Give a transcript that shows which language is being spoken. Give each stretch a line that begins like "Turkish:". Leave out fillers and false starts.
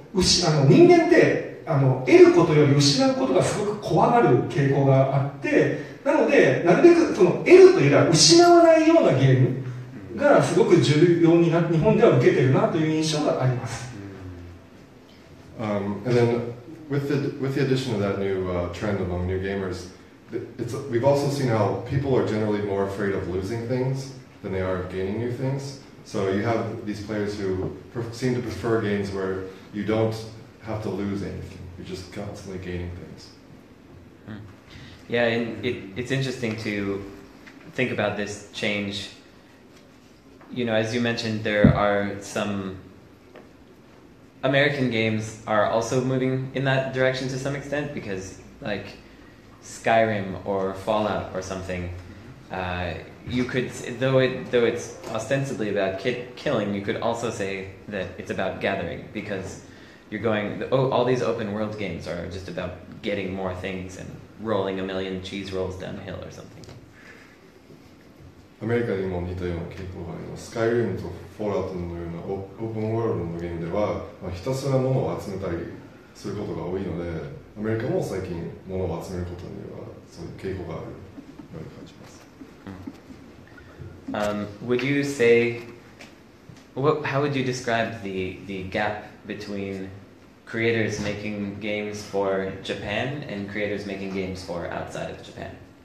Japanese: 人間って得ることより失うことがすごく怖がる傾向があって、なのでなるべくその得るというよりは失わないようなゲームがすごく重要になって、日本では受けてるなという印象があります。
English: With the addition of that new trend among new gamers, we've also seen how people are generally more afraid of losing things than they are of gaining new things. So you have these players who seem to prefer games where you don't have to lose anything, you're just constantly gaining things. Yeah, and it's interesting to think about this change. You know, as you mentioned, there are some American games are also moving in that direction to some extent, because like Skyrim or Fallout or something, you could, though it's ostensibly about killing, you could also say that it's about gathering, because you're going, all these open world games are just about getting more things and rolling a million cheese rolls down a hill or something.
Japanese: アメリカにも似たような傾向があります。Skyrim とフォールアウトのようなオープンワールドのゲームでは、まあ、ひたすら物を集めたりすることが多いので、アメリカも最近物を集めることにはそういう傾向があるように感じます。
English: Would you say How would you describe the gap between creators making games for Japan and creators making games for outside of Japan?